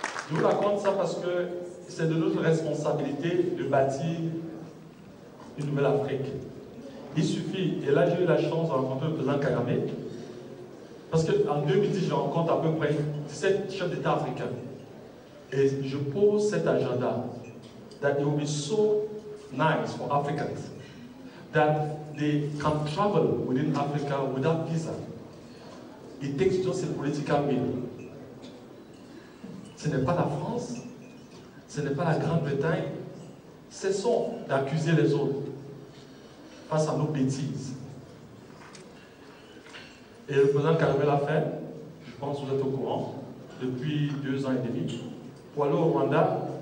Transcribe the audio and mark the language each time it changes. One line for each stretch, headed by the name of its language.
French: Je vous raconte ça parce que c'est de notre responsabilité de bâtir une nouvelle Afrique. Il suffit, et là j'ai eu la chance de rencontrer le président Kagame, parce qu'en 2010, je rencontre à peu près 17 chefs d'État africains. Et je pose cet agenda.
English: That it will be so nice for Africans that they can travel within Africa without visa. It takes just a political will.
French: Ce n'est pas la France, ce n'est pas la Grande-Bretagne. Cessons d'accuser les autres face à nos bêtises. Et le président Kagame l'a fait, je pense que vous êtes au courant, depuis 2 ans et demi, pour aller au Rwanda.